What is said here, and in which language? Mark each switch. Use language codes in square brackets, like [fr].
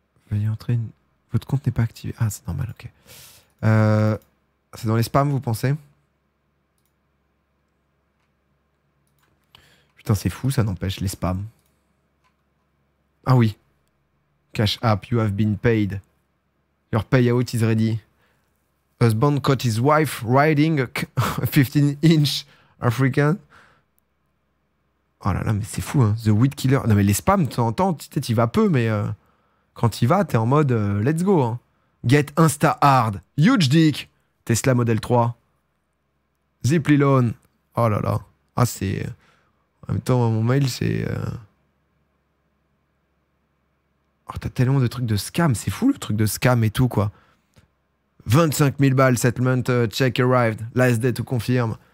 [fr] Veuillez entrer une... Votre compte n'est pas activé. Ah, c'est normal, ok. C'est dans les spams, vous pensez? Putain, c'est fou, ça n'empêche les spams. Ah oui. [en] Cash app, you have been paid. Your payout is ready. Husband caught his wife riding a 15-inch African. [fr] Oh là là, mais c'est fou, hein. [en] The weed killer. [fr] Non, mais les spams, tu entends, peut-être il va peu, mais quand il va, t'es en mode [en] let's go. [fr] Hein. [en] Get Insta hard. Huge dick. Tesla Model 3. Zipply loan. [fr] Oh là là. Ah, c'est. En même temps, mon mail, c'est. Alors, t'as tellement de trucs de scam, c'est fou le truc de scam et tout quoi. [en] 25 000 balles, settlement check arrived, last day to confirm.